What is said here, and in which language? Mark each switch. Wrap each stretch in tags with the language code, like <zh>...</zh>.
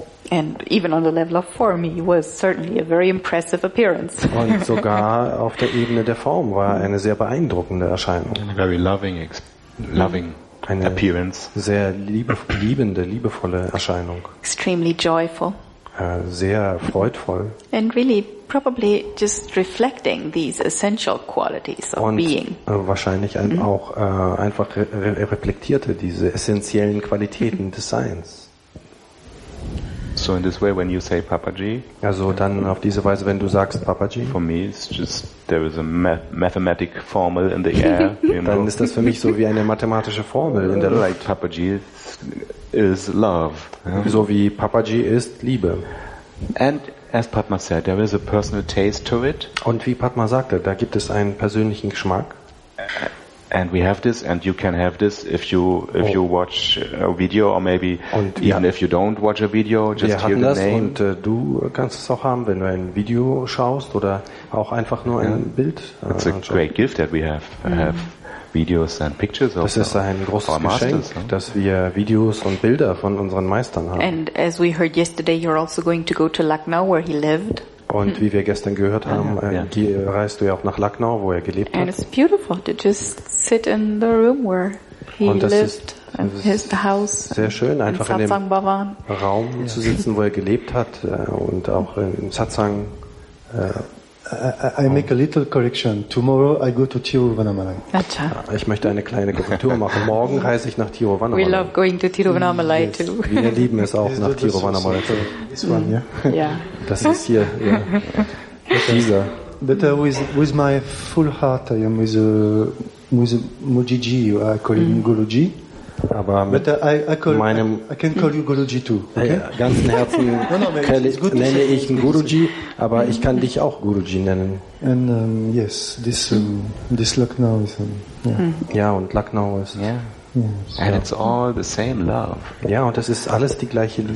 <en>And even on the level of form, he was certainly a very impressive appearance.</en> <de>Und sogar auf der Ebene der Form war eine sehr beeindruckende Erscheinung.</de> <en>A very loving</en> <de>eine</de> <en>appearance.</en> <de>Sehr liebende, liebevolle Erscheinung.</de> <en>Extremely joyful.</en> <de>Sehr freudvoll.</de> <en>And really, probably just reflecting these essential qualities of</en> <de>und</de> <en>being.</en> <de>Wahrscheinlich auch einfach reflektierte diese essentiellen Qualitäten des Seins.</de> <en>So in this way, when you say Papaji,</en> <de>also dann auf diese Weise, wenn du sagst Papaji,</de> <en>for me it's just there is a mathematic formal in the air. You</en> <de>dann</de> <en>know?</en> <de>Ist das für mich so wie eine mathematische Formel in der Luft.</de> <en>Papaji is love. Yeah?</en> <de>So wie Papaji ist Liebe.</de> <en>And as Padma said, there is a personal taste to it.</en> <de>Und wie Padma sagte, da gibt es einen persönlichen Geschmack.</de> <en>And we have this, and you can have this if you watch a video, or maybe</en> <de>und,</de> <en>even</en> <de>ja.</de> <en>if you don't watch a video, just</en> <de>wir</de> <en>hear the name.</en> <de>Und du kannst es auch haben, wenn du ein Video schaust oder auch einfach nur ein</de> <en>yeah.</en> <de>Bild.</de> <en>It's a great gift that we have. Mm. Have videos and pictures of our masters.</en> <de>Das ist ein großes Geschenk, dass wir Videos und Bilder von unseren Meistern haben.</de> <en>And as we heard yesterday, you're also going to go to Lucknow, where he lived.</en> <de>Und wie wir gestern gehört haben, reist du ja auch nach Lucknow, wo er gelebt hat.</de> <en>And it's beautiful to just sit in the room where He lived in his house.</en> <de>Sehr schön, einfach in dem Bhavan. Raum zu sitzen, wo er gelebt hat, und auch im Satsang.</de> <en>I make a little correction. Tomorrow I go to Tiruvannamalai.</en> <hi>Acha.</hi> <de>Ich möchte eine kleine Korrektur machen. Morgen reise ich nach Tiruvannamalai.</de> <en>We love going to Tiruvannamalai too.</en> <de>Wir lieben es auch nach Tiruvannamalai.</de> <en>This one, yeah.</en> <de>Das ist hier.</de> <en>Yeah.</en> <de>Dieser.</de> <en>But with my full heart, I am with Mujiji, or I call him Guruji.</en> <de>Aber mit meinem</de> <en>I can call you Guruji too, okay?</en> <de>Ganzen Herzen nenne ich ihn Guruji, aber ich kann dich auch Guruji nennen.</de> <en>And yes, this Lucknow is</en> <de>und Lucknow ist</de> <en>And it's all the same love.</en> <de>Ja, und das ist alles die gleiche Liebe.</de>